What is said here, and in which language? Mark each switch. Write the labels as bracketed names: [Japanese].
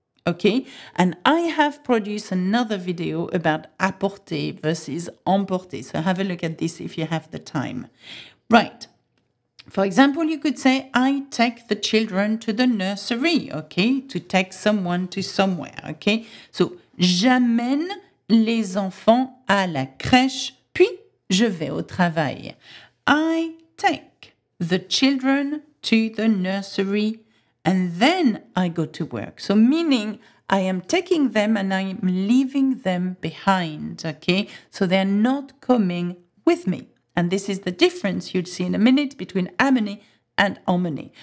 [English] Okay, and I have produced another video about apporter versus emporter. So have a look at this if you have the time. Right, for example, you could say, I take the children to the nursery, okay, to take someone to somewhere, okay. [French] So, j'amène les enfants à la crèche, puis je vais au travail. [English] I take the children to the nursery, and then I go to work. So meaning I am taking them and I'm leaving them behind, okay? So they're not coming with me. And this is the difference you'd see in a minute between amener and emmener.